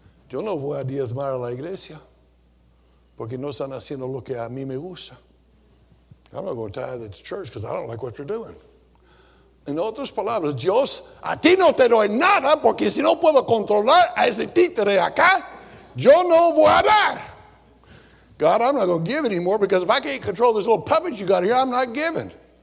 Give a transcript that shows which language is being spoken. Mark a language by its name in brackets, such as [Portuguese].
[Spanish] Yo no voy a diezmar a la iglesia porque no están haciendo lo que a mí me gusta. [English] I'm not going to tithe at the church because I don't like what they're doing. [Spanish] En otras palabras, Dios, a ti no te doy nada porque si no puedo controlar a ese títere acá, yo no voy a dar. [English] God, I'm not going to give anymore because if I can't control this little puppet you got here, I'm not giving.